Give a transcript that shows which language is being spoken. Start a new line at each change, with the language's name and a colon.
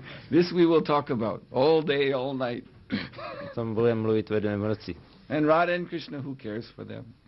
English: This we will talk about all day, all night.
Czech: O tom budeme mluvit ve dne v noci.
English: And Radha and Krishna, who cares for them?